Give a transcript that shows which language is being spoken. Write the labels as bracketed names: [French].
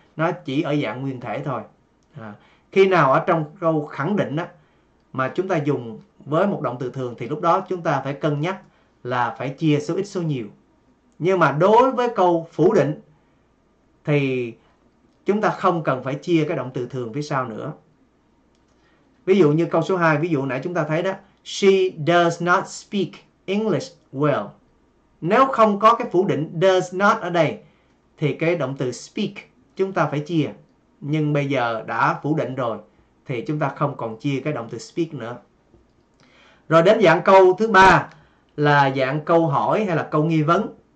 [Vietnamese] Nó chỉ ở dạng nguyên thể thôi. Khi nào ở trong câu khẳng định á, mà chúng ta dùng với một động từ thường thì lúc đó chúng ta phải cân nhắc là phải chia số ít số nhiều. Nhưng mà đối với câu phủ định thì chúng ta không cần phải chia cái động từ thường phía sau nữa. Ví dụ như câu số 2, ví dụ nãy chúng ta thấy đó. [English] She does not speak English well. [Vietnamese] Nếu không có cái phủ định does not ở đây thì cái động từ speak chúng ta phải chia. Nhưng bây giờ đã phủ định rồi thì chúng ta không còn chia cái động từ speak nữa. Rồi đến dạng câu thứ ba là dạng câu hỏi hay là câu nghi vấn.